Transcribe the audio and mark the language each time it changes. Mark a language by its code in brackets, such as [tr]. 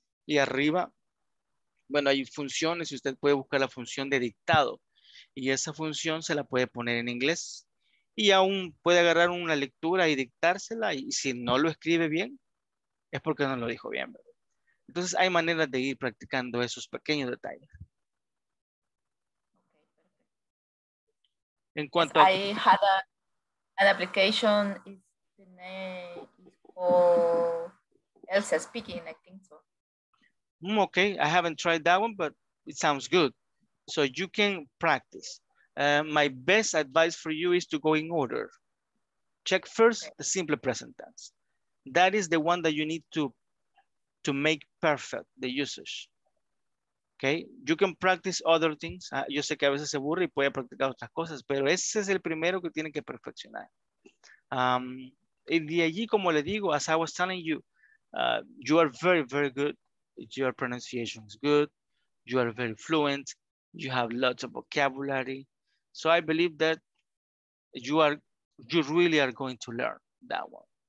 [es] Y arriba, bueno, hay funciones y usted puede buscar la función de dictado. Y esa función se la puede poner en inglés. Y aún puede agarrar una lectura y dictársela, y si no lo escribe bien, es porque no lo dijo bien, ¿verdad? Entonces hay maneras de ir practicando esos pequeños detalles. Okay, perfecto. En cuanto a... [en] I had an application, it's the name is called Elsa Speaking, I think so. Okay, I haven't tried that one, but it sounds good. So you can practice. My best advice for you is to go in order. Check first the simple present tense. That is the one that you need to make perfect the usage. Okay? You can practice other things. [es] Yo sé que a veces se aburre y puede practicar otras cosas, pero ese es el primero que tiene que perfeccionar. Y de allí, como le digo, [en] as I was telling you, you are very, very good. Your pronunciation is good. You are very fluent. You have lots of vocabulary. So I believe that you really are going to learn that one.